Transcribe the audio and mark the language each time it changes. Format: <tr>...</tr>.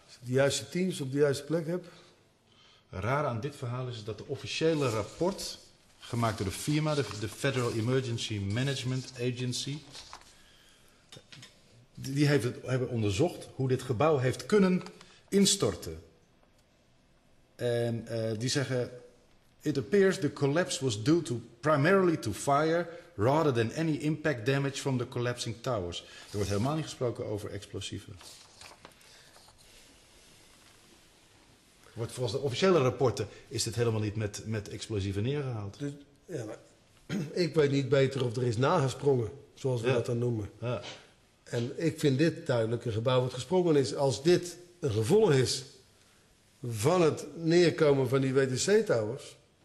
<nl>Als je de juiste teams op de juiste plek hebt. Raar aan dit verhaal is dat de officiële rapport, gemaakt door de firma, de Federal Emergency Management Agency, die hebben onderzocht hoe dit gebouw heeft kunnen instorten. En die zeggen:</nl> <en>it appears the collapse was due to primarily to fire rather than any impact damage from the collapsing towers.</en> <nl>Er wordt helemaal niet gesproken over explosieven. Volgens de officiële rapporten is dit helemaal niet met explosieven neergehaald. Dus, ja, maar, ik weet niet beter of er is nagesprongen, zoals we dat dan noemen. Ja. En ik vind dit duidelijk een gebouw wat gesprongen is. Als dit een gevolg is van het neerkomen van die WTC-towers.</nl>